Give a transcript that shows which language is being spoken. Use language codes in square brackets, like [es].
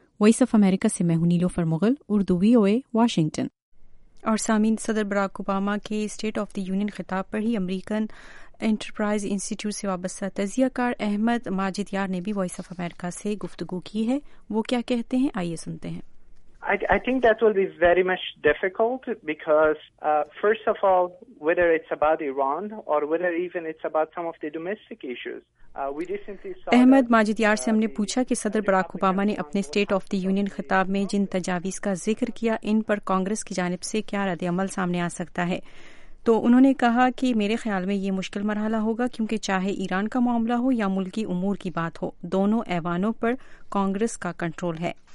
[ur] Voice of America سے میں ہوں نیلوفر مغل, اردو وی او اے واشنگٹن. اور سامعین, صدر براک اوباما کے اسٹیٹ آف دی یونین خطاب پر ہی امریکن انٹرپرائز انسٹیٹیوٹ سے وابستہ تجزیہ کار احمد ماجد یار نے بھی وائس آف امریکہ سے گفتگو کی ہے. وہ کیا کہتے ہیں, آئیے سنتے ہیں. [en] I think that will be very much difficult because, first of all, whether it's about Iran or whether even it's about some of the domestic issues, we recently saw [ur] Ahmad Majid یار سے ہم نے پوچھا کہ صدر براک اوباما نے اپنے state of the union خطاب میں جن تجاویز کا ذکر کیا ان پر کانگریس کی جانب سے کیا رد عمل سامنے آ سکتا ہے. تو انہوں نے کہا کہ میرے خیال میں یہ مشکل مرحلہ ہوگا, کیونکہ چاہے ایران کا معاملہ ہو یا ملکی امور کی بات ہو, دونوں ایوانوں پر کانگریس کا کنٹرول ہے.